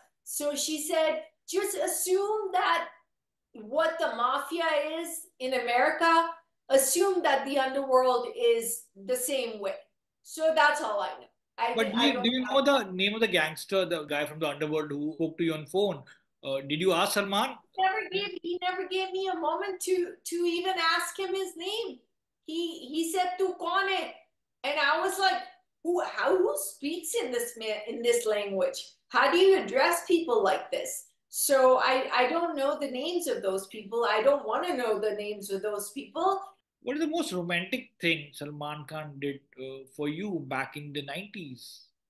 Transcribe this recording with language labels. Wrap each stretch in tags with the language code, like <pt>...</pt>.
<en>So she said, "Just assume that what the mafia is in America, assume that the underworld is the same way." So that's all I know. Do you know the name of the gangster, the guy from the underworld who spoke to you on phone? Did you ask Salman? He never gave me a moment to even ask him his name. He said,</en> <hi>"तू कौन है?"</hi> <en>And I was like, who speaks in this language? How do you address people like this? So I don't know the names of those people. I don't want to know the names of those people. What is the most romantic thing Salman Khan did for you back in the 90s?</en>